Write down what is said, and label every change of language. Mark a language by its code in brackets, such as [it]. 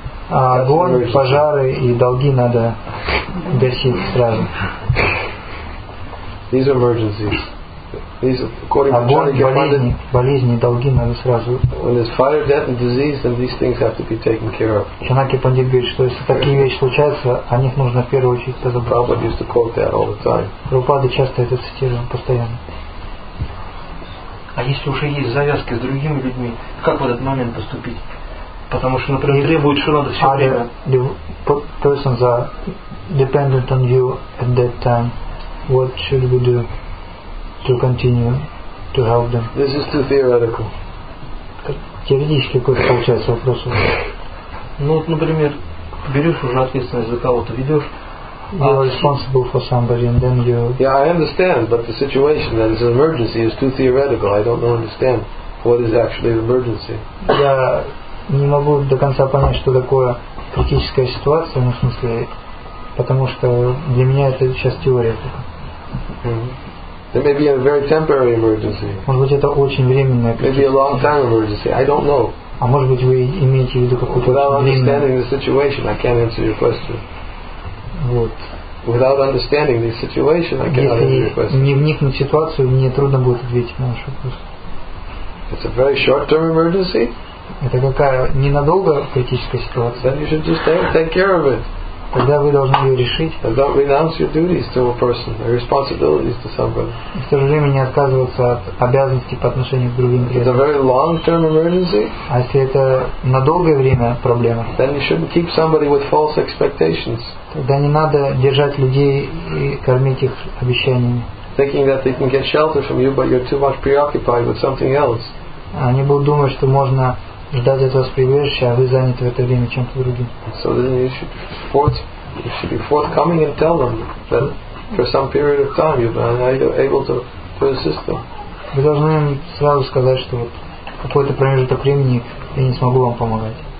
[ru] Огонь, пожары и долги надо гасить сразу. [en] These are emergencies. These, according to [ru] болезни, долги надо сразу. [en] When there's fire, death, and disease, then these things have to be taken care of. [ru] Чанаки пандит говорит, что если такие вещи случаются, о них нужно в первую очередь позаботиться. [en] Prabhupada used to quote that all the time. [ru] Прабхупада часто это цитировал постоянно. А если уже есть завязки с другими людьми, как в этот момент поступить? Потому что, например, требует, что надо все время. [en] The persons are dependent on you at that time. What should we do to continue to help them? This is too theoretical. [ru] Теоретически какой-то получается вопрос. Ну вот, например, берешь уже ответственность за кого-то, ведешь. [en] You are responsible for somebody and then you... Yeah, I understand, but the situation that is an emergency is too theoretical. I don't understand what is actually an emergency. [ru] Я не могу до конца понять, что такое критическая ситуация, ну, в смысле, потому что для меня это сейчас теория только. [en] It may be a very temporary emergency. [ru] Может быть, это очень временная критическая. [en] Maybe a long time emergency. I don't know. [ru] А может быть, вы имеете в виду какую-то очень временную. [en] Without understanding the situation, I can't answer your question. [ru] Вот. [en] Without understanding the situation, I can't answer your question. [ru] Если не вникнуть в ситуацию, мне трудно будет ответить на ваш вопрос. [en] It's a very short-term emergency. [ru] Это какая ненадолго критическая ситуация. [en] Then you should just take care of it. [ru] Тогда вы должны ее решить. [en] And don't renounce your duties to a person, your responsibilities to somebody. [ru] И в то же время не отказываться от обязанностей по отношению к другим людям. [en] It's a very long-term emergency. [ru] А если это на долгое время проблема? [en] Then you shouldn't keep somebody with false expectations. [ru] Тогда не надо держать людей и кормить их обещаниями. [en] Thinking that they can get shelter from you, but you're too much preoccupied with something else. [ru] Они будут думать, что можно ждать от вас прибежища, а вы заняты в это время чем-то другим. [en] So then you should be forthcoming and tell them that for some period of time you've been able to assist them. [ru] Вы должны им сразу сказать, что вот какой-то промежуток времени я не смогу вам помогать.